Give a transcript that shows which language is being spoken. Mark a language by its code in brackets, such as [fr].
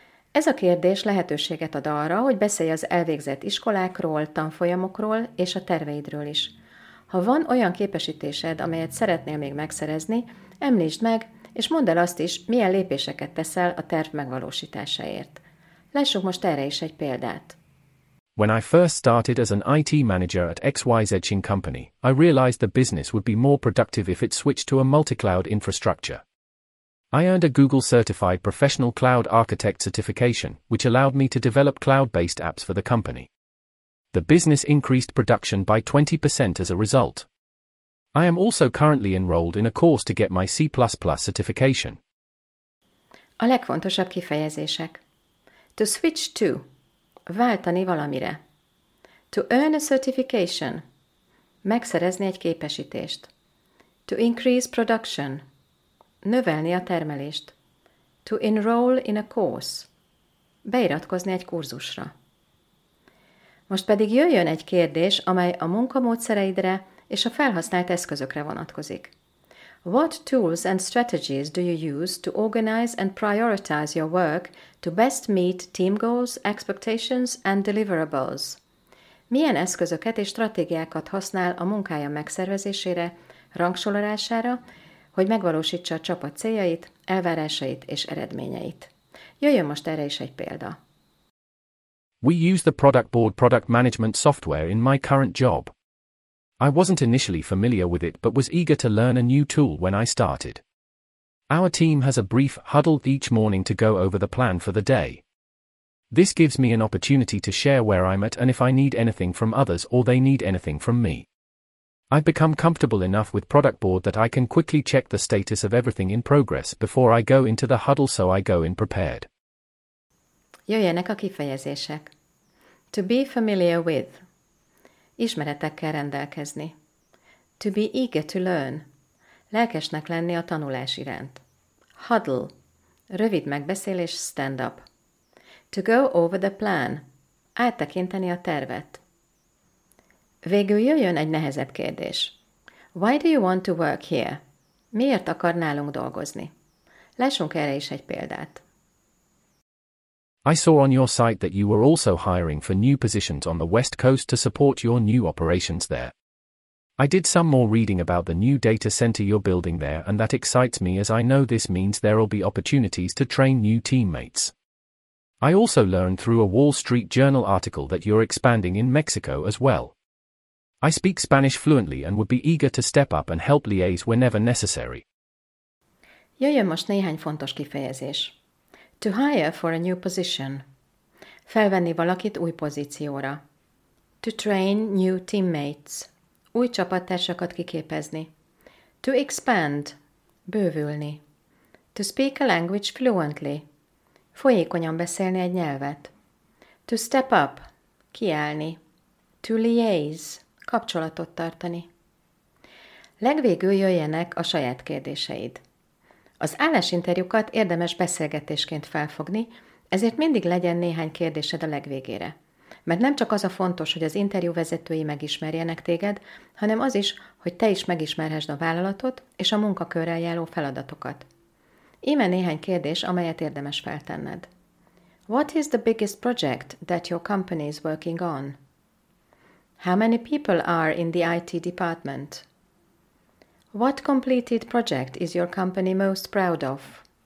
[hu] Ez a kérdés lehetőséget ad arra, hogy beszélj az elvégzett iskolákról, tanfolyamokról és a terveidről is. Ha van olyan képesítésed, amelyet szeretnél még megszerezni, említsd meg, és mondd el azt is, milyen lépéseket teszel a terv megvalósításáért. Lássuk most erre is egy példát. [en] When I first started as an IT manager at XYZ Company, I realized the business would be more productive if it switched to a multi-cloud infrastructure. I earned a Google-certified professional cloud architect certification, which allowed me to develop cloud-based apps for the company. The business increased production by 20% as a result. I am also currently enrolled in a course to get my C++ certification. [hu] A legfontosabb kifejezések. [en] To switch to. [hu] Váltani valamire. [en] To earn a certification. [hu] Megszerezni egy képesítést. [en] To increase production. [hu] Növelni a termelést. [en] To enroll in a course. [hu] Beiratkozni egy kurzusra. Most pedig jöjjön egy kérdés, amely a munkamódszereidre és a felhasznált eszközökre vonatkozik. [en] What tools and strategies do you use to organize and prioritize your work to best meet team goals, expectations and deliverables? [hu] Milyen eszközöket és stratégiákat használ a munkája megszervezésére, rangsorolására, hogy megvalósítsa a csapat céljait, elvárásait és eredményeit. Jöjjön most erre is egy példa. [en] We use the Product Board product management software in my current job. I wasn't initially familiar with it but was eager to learn a new tool when I started. Our team has a brief huddle each morning to go over the plan for the day. This gives me an opportunity to share where I'm at and if I need anything from others or they need anything from me. I've become comfortable enough with Product Board that I can quickly check the status of everything in progress before I go into the huddle, so I go in prepared. [hu] Jöjjenek a kifejezések. [en] To be familiar with. [hu] Ismeretekkel rendelkezni. [en] To be eager to learn. [hu] Lelkesnek lenni a tanulás iránt. Huddle. Rövid megbeszélés, stand up. [en] To go over the plan. [hu] Áttekinteni a tervet. Végül jöjjön egy nehezebb kérdés. [en] Why do you want to work here? [hu] Miért akar nálunk dolgozni? Lássunk erre is egy példát. [en] I saw on your site that you were also hiring for new positions on the West Coast to support your new operations there. I did some more reading about the new data center you're building there and that excites me as I know this means there'll be opportunities to train new teammates. I also learned through a Wall Street Journal article that you're expanding in Mexico as well. I speak Spanish fluently and would be eager to step up and help liaise whenever necessary. [hu] Jöjjön most néhány fontos kifejezés. [en] To hire for a new position. [hu] Felvenni valakit új pozícióra. [en] To train new teammates. [hu] Új csapattársakat kiképezni. [en] To expand. [hu] Bővülni. [en] To speak a language fluently. [hu] Folyékonyan beszélni egy nyelvet. [en] To step up. [hu] Kiállni. [en] To liaise. [hu] Kapcsolatot tartani. Legvégül jöjjenek a saját kérdéseid. Az állásinterjúkat érdemes beszélgetésként felfogni, ezért mindig legyen néhány kérdésed a legvégére. Mert nem csak az a fontos, hogy az interjú vezetői megismerjenek téged, hanem az is, hogy te is megismerhesd a vállalatot és a munkakörrel járó feladatokat. Íme néhány kérdés, amelyet érdemes feltenned. [en] What is the biggest project that your company is working on? How many people are in the IT department? What completed project is your company most proud of?